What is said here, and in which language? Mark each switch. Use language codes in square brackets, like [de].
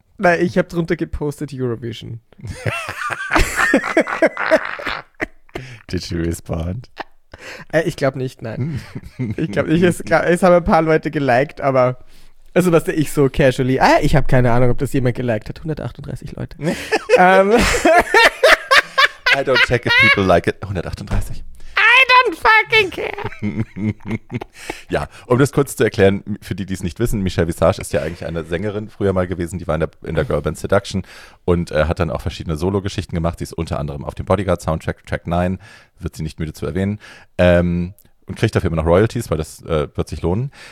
[de] Nein, ich habe drunter gepostet Eurovision. [en] Did you respond? [de] Ich glaube nicht, nein. Ich glaube nicht, es haben ein paar Leute geliked, aber, also was ich so casually, ich habe keine Ahnung, ob das jemand geliked hat, 138 Leute. [en] I don't check if people like it, 138. I don't fucking care. [de] Ja, um das kurz zu erklären, für die es nicht wissen, Michelle Visage ist ja eigentlich eine Sängerin früher mal gewesen, die war in der Girlband Seduction und hat dann auch verschiedene Solo-Geschichten gemacht. Sie ist unter anderem auf dem Bodyguard-Soundtrack, Track 9, wird sie nicht müde zu erwähnen, und kriegt dafür immer noch Royalties, weil das wird sich lohnen.